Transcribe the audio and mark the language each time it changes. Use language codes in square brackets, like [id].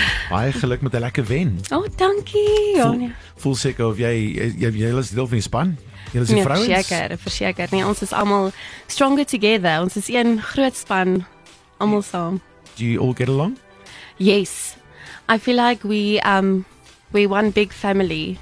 [af] Baie geluk met 'n lekker wen. Oh, dankie. Voel seker of jy is deel van die span? Julle is die vrouens? Verseker. Nee, ons is almal [en] stronger together. [af] Ons is een groot span, almal saam. [en] Do you all get along? Yes. I feel like we one big family.